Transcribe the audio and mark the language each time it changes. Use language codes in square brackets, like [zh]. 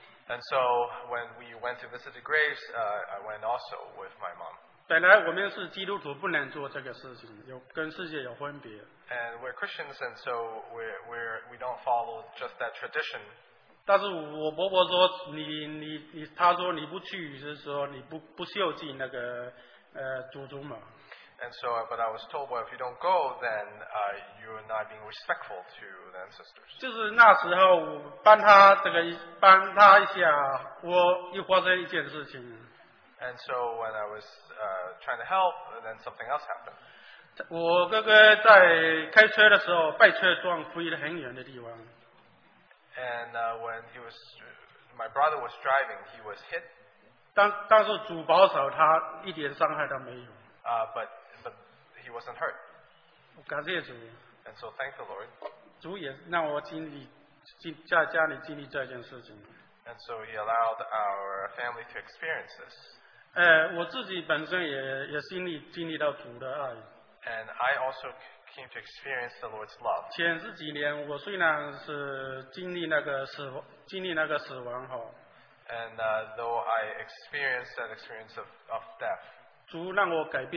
[en] And so when we went to visit the graves, I went also with my mom. [zh] 本来我们是基督徒，不能做这个事情，有跟世界有分别。 [en] And we're Christians, and so we don't follow just that tradition. [zh] 但是我伯伯说，他说你不去，是说你不孝敬那个祖宗嘛。 [en] And so, but I was told, well, if you don't go, then you're not being respectful to the ancestors. [zh] 就是那时候帮他这个帮他一下，我又发生一件事情。 [en] And so when I was trying to help, then something else happened. [zh] 我哥哥在开车的时候，被车撞飞了很远的地方。 [en] And when he was, my brother was driving, he was hit. [zh] 但是主保守他，一点伤害都没有。 [en] But he wasn't hurt. [zh] 感谢主。 [en] And so thank the Lord. [zh] 主也让我经历，在家里经历这件事情。 [en] And so he allowed our family to experience this. [zh] 我自己本身也经历到主的爱。 [en] And I also came to experience the Lord's love. [zh] 前十几年，我虽然是经历那个死亡哈。 [en] And though I experienced that experience of death.